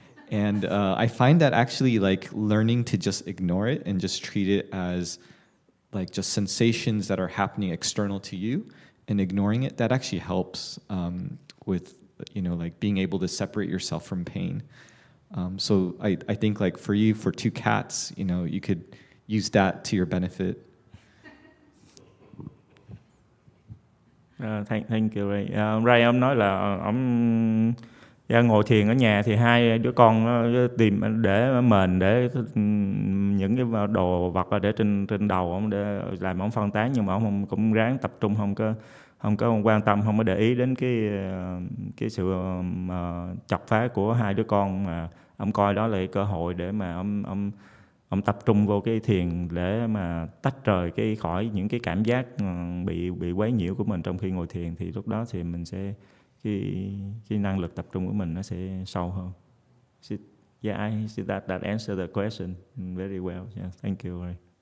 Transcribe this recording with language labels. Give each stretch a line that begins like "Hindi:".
English: And I find that actually, like, learning to just ignore it and just treat it as, like, just sensations that are happening external to you and ignoring it, that actually helps with, you know, like, being able to separate yourself from pain. So I think, like, for you, for two cats, you know, you could use that to your benefit. Thank you, Ray.
Vietnamese: Ray, ông nói là ông ngồi thiền ở nhà thì hai đứa con tìm để mền, để những cái đồ vật để trên đầu ông để làm ông phân tán, nhưng mà ông cũng ráng tập trung, không có quan tâm, không có để ý đến cái sự chọc phá của hai đứa con, mà ông coi đó là cái cơ hội để mà ông tập trung vô cái thiền để mà tách rời cái khỏi những cái cảm giác bị quấy nhiễu của mình trong khi ngồi thiền, thì lúc đó thì mình sẽ cái năng lực tập trung của mình nó sẽ sâu hơn.
English: Yeah, I see that answer the question very well. Yeah, thank you. Ray.